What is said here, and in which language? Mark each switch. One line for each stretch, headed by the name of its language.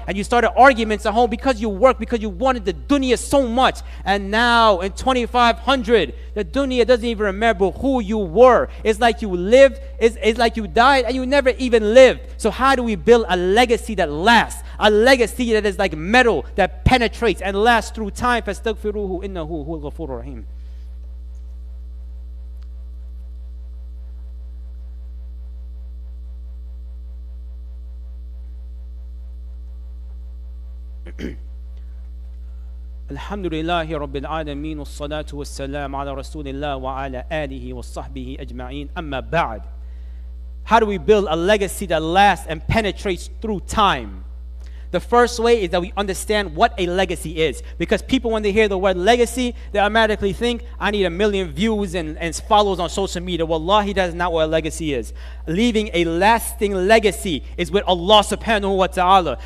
English: And you started arguments at home because you worked, because you wanted the dunya so much. And now in 2500, the dunya doesn't even remember who you were. It's like you lived, it's like you died, and you never even lived. So how do we build a legacy that lasts? A legacy that is like metal that penetrates and lasts through time.
Arabic: فَاسْتَغْفِرُوهُ إِنَّهُ هُوَ الْغَفُورُ الرَّحِيمُ الحمد لله رب العالمين والصلاة والسلام على رسول الله وعلى آله وصحبه أجمعين أما بعد.
English: How do we build a legacy that lasts and penetrates through time? The first way is that we understand what a legacy is. Because people, when they hear the word legacy, they automatically think, I need a million views and follows on social media. Wallahi, that is not what a legacy is. Leaving a lasting legacy is with Allah subhanahu wa ta'ala.